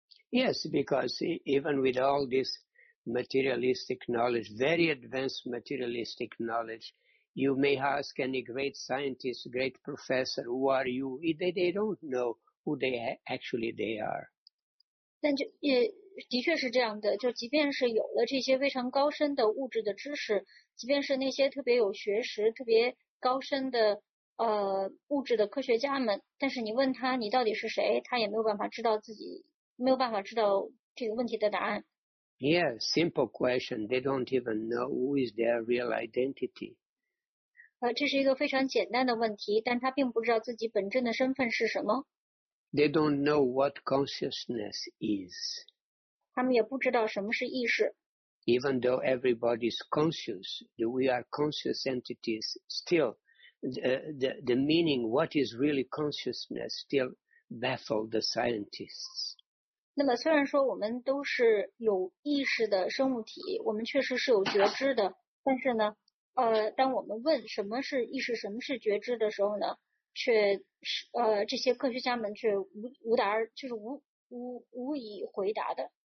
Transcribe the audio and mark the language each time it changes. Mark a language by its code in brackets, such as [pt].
[en] Yes, because even with all this materialistic knowledge, very advanced materialistic knowledge, you may ask any great scientist, great professor, who are you? They don't know who they are. [zh] 但就也的确是这样的，就即便是有了这些非常高深的物质的知识，即便是那些特别有学识、特别高深的物质的科学家们，但是你问他你到底是谁，他也没有办法知道自己。没有办法知道这个问题的答案。 [en] Yeah, simple question. They don't even know who is their real identity. [zh] 这是一个非常简单的问题，但他并不知道自己本真的身份是什么。 [en] They don't know what consciousness is. [zh] 他们也不知道什么是意识。 [en] Even though everybody is conscious, we are conscious entities still. The meaning, what is really consciousness, still baffled the scientists. [zh] 那么虽然说我们都是有意识的生物体，我们确实是有觉知的，但是呢当我们问什么是意识，什么是觉知的时候呢，却这些科学家们却无以回答的。